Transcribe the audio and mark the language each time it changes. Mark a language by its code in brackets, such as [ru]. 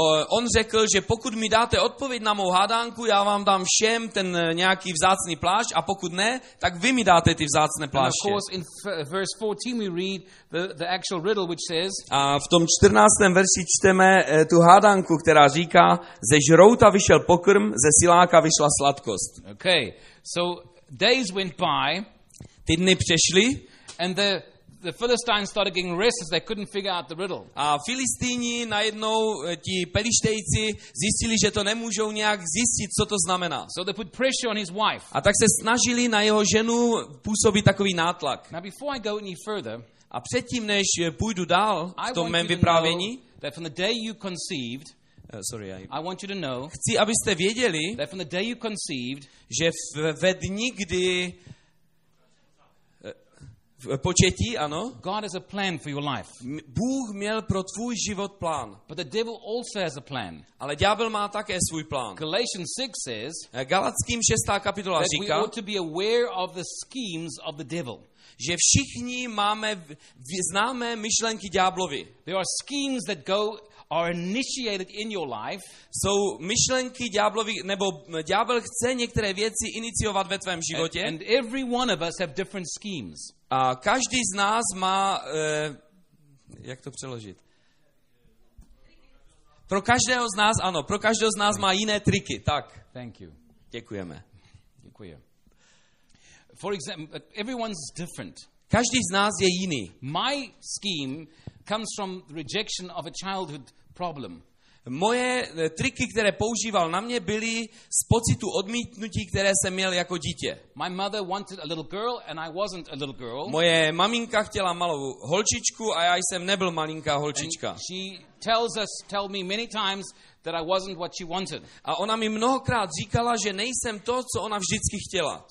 [cs] On řekl, že pokud mi dáte odpověď na mou hádanku, já vám dám všem ten nějaký vzácný plášť, a pokud ne, tak vy mi dáte ty vzácné pláště. [en] And of course in verse 14 we read the actual riddle which says, [cs] a v tom 14. verši čteme tu hádanku, která říká, ze žrouta vyšel pokrm, ze siláka vyšla sladkost. [en] Okay, so days went by, [cs] ty dny přešly, [en] and the Philistines started getting restless. They couldn't figure out the riddle. [cs] A Filistíni najednou ti Pelištejci zjistili, že to nemůžou nějak zjistit, co to znamená. [en] So they put pressure on his wife. [cs] A tak se snažili na jeho ženu působit takový nátlak. [en] Now before I go any further, [cs] a předtím než půjdu dál v tom mém vyprávění, [en] that from the day you conceived, I want you to know, [cs] chci, abyste věděli, [en] that from the day you conceived, [cs] že ve dni, kdy početí, ano, [en] God has a plan for your life. [cs] Bůh měl pro tvůj život plán. [en] But the devil also has a plan. [cs] Ale ďábel má také svůj plán. [en] Galatians 6 says, [cs] Galackým 6. kapitola říká, [en] that we ought to be aware of the schemes of the devil. [cs] Že všichni známe myšlenky ďáblovy. [en] There are schemes that go are initiated in your life. [cs] Jsou myšlenky ďáblovy, nebo ďábel chce některé věci iniciovat ve tvém životě. [en] And every one of us have different schemes. [cs] A každý z nás má jak to přeložit? Pro každého z nás, ano, pro každého z nás má jiné triky. Tak. [en] Thank you. [cs] Děkujeme. Děkujeme. [en] For example, everyone's different. [cs] Každý z nás je jiný. [en] My scheme comes from rejection of a childhood problem. [cs] Moje triky, které používal na mě, byly z pocitu odmítnutí, které jsem měl jako dítě. [en] My mother wanted a little girl and I wasn't a little girl. [cs] Moje maminka chtěla malou holčičku a já jsem nebyl malinká holčička. [en] And she tell me many times that I wasn't what she wanted. [cs] A ona mi mnohokrát říkala, že nejsem to, co ona vždycky chtěla.